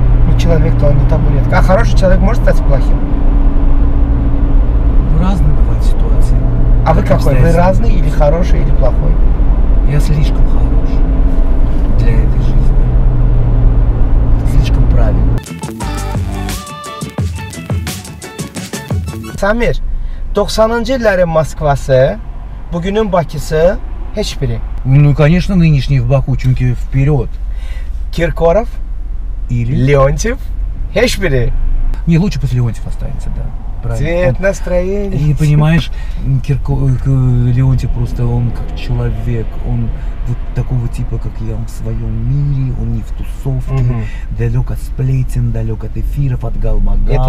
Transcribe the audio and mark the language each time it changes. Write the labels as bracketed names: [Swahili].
[Russian] Ну человек-то он не табуретка. А хороший человек может стать плохим? Ну разные бывают ситуации. А вы какой? Кстати, вы разный или хороший, или плохой? Я слишком хороший для этой жизни. Слишком правильный. [Azerbaijani] Самир, 90-ci illərin Moskvası, bugünün Bakısı, heç biri. [Russian] Ну, конечно, нынешний в Баку, çünkü вперед. Киркоров? Или? [Azerbaijani] Леонтьев? Heç biri. [Russian] Не, лучше после Леонтьев останется, да. Правильно. Цвет настроения. И понимаешь, Леонтьев просто, он как человек, он вот такого типа, как я, он в своем мире, он не в тусовке, далек от сплетен, далек от эфиров, от галмагалов.